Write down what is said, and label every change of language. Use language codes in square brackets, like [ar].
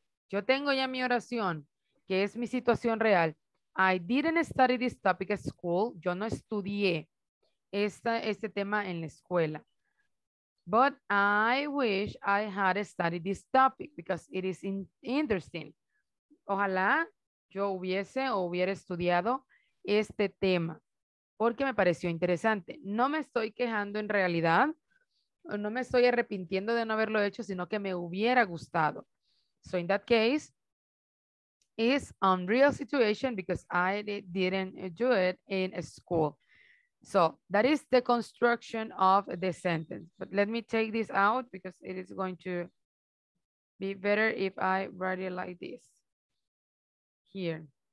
[es] Yo tengo ya mi oración, que es mi situación real. [en] I didn't study this topic at school. [es] Yo no estudié este tema en la escuela. [en] But I wish I had studied this topic because it is interesting. [es] Ojalá yo hubiera estudiado este tema porque me pareció interesante. No me estoy quejando en realidad. No me estoy arrepintiendo de no haberlo hecho, sino que me hubiera gustado. [en] So in that case, it's an unreal situation because I didn't do it in school. So that is the construction of the sentence. But let me take this out because it is going to be better if I write it like this here.